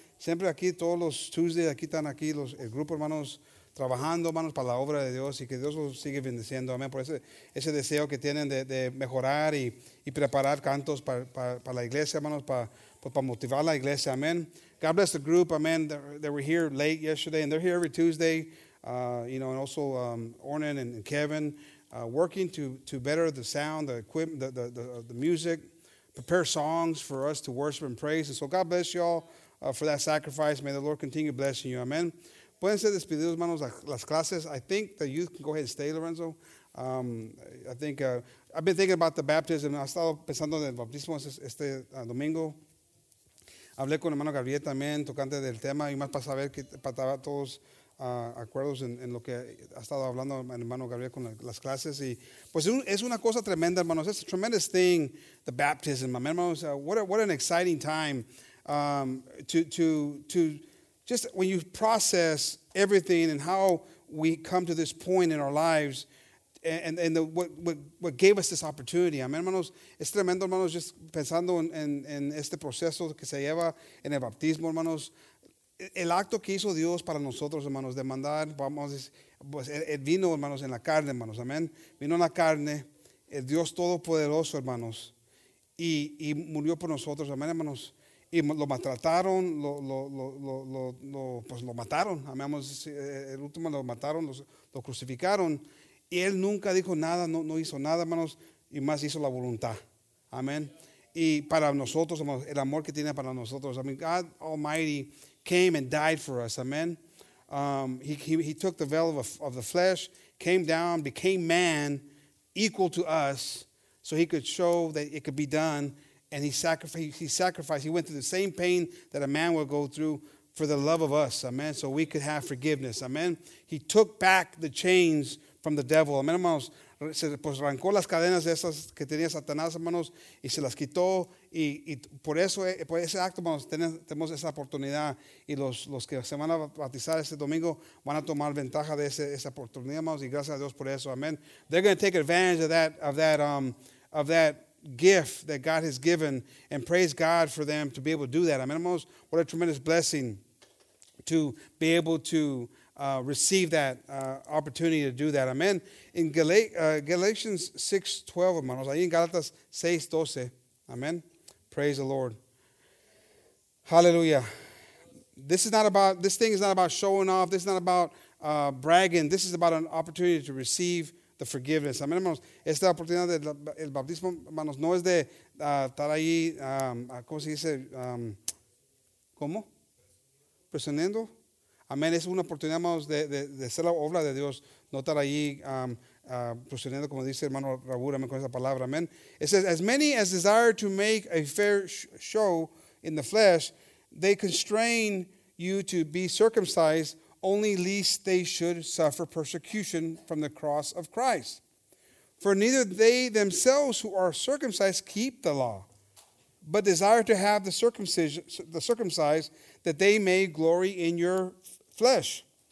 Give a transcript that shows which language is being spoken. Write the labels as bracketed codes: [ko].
[es] Siempre aquí, todos los Tuesdays, aquí están aquí los, el grupo, hermanos, trabajando, hermanos, para la obra de Dios, y que Dios los sigue bendiciendo, amén, por ese deseo que tienen de mejorar y preparar cantos para la iglesia, hermanos, para motivar la iglesia, amén. [en] God bless the group, amén. They were here late yesterday, and they're here every Tuesday, you know, and also Ornan and Kevin, working to better the sound, the equipment, the music, prepare songs for us to worship and praise, and so God bless y'all for that sacrifice. May the Lord continue blessing you, amén. [es] Pueden ser despedidos, hermanos, las clases. [en] I think the youth can go ahead and stay, Lorenzo. I think I've been thinking about the baptism. I've [es] estado pensando en el bautismo este domingo. Hablé con hermano Gabriel también, tocante del tema, y más para saber que estaban todos acuerdos en lo que ha estado hablando hermano Gabriel con las clases. Y pues es una cosa tremenda, hermanos. [en] It's a tremendous thing, the baptism. [es] Amén, hermanos. [en] What an exciting time to just when you process everything and how we come to this point in our lives and what gave us this opportunity. [es] Amen, hermanos. Es tremendo, hermanos, just pensando en este proceso que se lleva en el bautismo, hermanos. El acto que hizo Dios para nosotros, hermanos, de mandar, vamos, pues el vino, hermanos, en la carne, hermanos. Amen. Vino en la carne, el Dios Todopoderoso, hermanos, y murió por nosotros. Amen, hermanos. Y lo maltrataron, lo mataron, amamos, el último lo mataron, lo crucificaron, y él nunca dijo nada, no hizo nada, hermanos, y más hizo la voluntad, amén. Y para nosotros, hermanos, el amor que tiene para nosotros, [en] I mean, God Almighty came and died for us, [es] amén. [en] He took the veil of the flesh, came down, became man, equal to us, so he could show that it could be done. And he sacrificed. He went through the same pain that a man would go through for the love of us. Amen. So we could have forgiveness. Amen. He took back the chains from the devil. [es] Amen, hermanos. Se pues arrancó las cadenas esas que tenía Satanás, hermanos, y se las quitó. Y por eso, por ese acto, hermanos, tenemos esa oportunidad. Y los que se van a bautizar este domingo van a tomar ventaja de esa oportunidad, hermanos. Y gracias a Dios por eso. Amen. [en] They're going to take advantage of that. Gift that God has given, and praise God for them to be able to do that. Amen, hermanos. What a tremendous blessing to be able to receive that opportunity to do that. Amen. In Galatians 6:12, hermanos, [es] ahí en Galatas 6:12. [en] Amen. Praise the Lord. Hallelujah. This thing is not about showing off. This is not about bragging. This is about an opportunity to receive the forgiveness. [es] Amén, hermanos. Esta oportunidad del bautismo, hermanos, no es de estar ahí, ¿cómo se dice? ¿Cómo? Presionando. Amén. Es una oportunidad, hermanos, de hacer la obra de Dios. No estar ahí presionando, como dice hermano Raúl, amén, con esa palabra. Amén. [en] It says, as many as desire to make a fair show in the flesh, they constrain you to be circumcised, only lest they should suffer persecution from the cross of Christ. For neither they themselves who are circumcised keep the law, but desire to have the circumcised, that they may glory in your flesh.